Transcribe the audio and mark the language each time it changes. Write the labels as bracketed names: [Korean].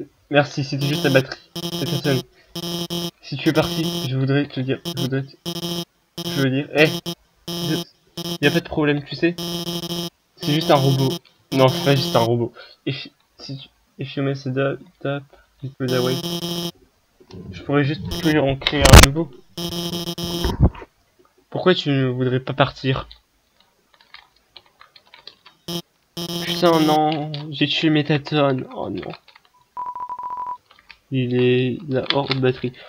[French] Merci, c'était juste la batterie. Métatone. Si tu es parti, je voudrais te dire... Je veux dire... Eh! Il n'y a pas de problème, tu sais. C'est juste un robot. Non, c'est pas juste un robot. [English] If you mess it up, you put away. [French] Je pourrais juste plus en créer un nouveau. Pourquoi tu ne voudrais pas partir? Putain, non. J'ai tué Métatone. Oh non. Il est là hors de batterie.